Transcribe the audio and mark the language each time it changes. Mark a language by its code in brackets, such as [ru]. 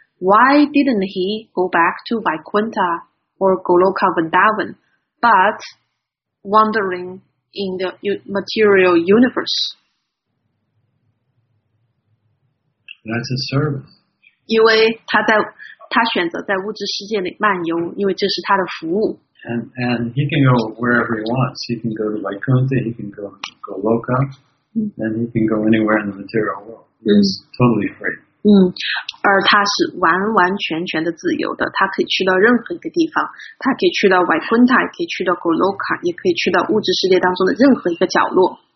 [en] Why didn't he go back to Vaikuntha or Goloka Vrindavan, but wandering in the material universe? That's a service. [zh] 因为他选择在物质世界里漫游，因为这是他的服务。 [en] And he can go wherever he wants. He can go to Vaikuntha, he can go to Goloka, and he can go anywhere in the material world. He's totally free. [zh] 而他是完完全全的自由的，他可以去到任何一个地方，他可以去到 Vaikuntha, 也可以去到 Goloka, 也可以去到物质世界当中的任何一个角落。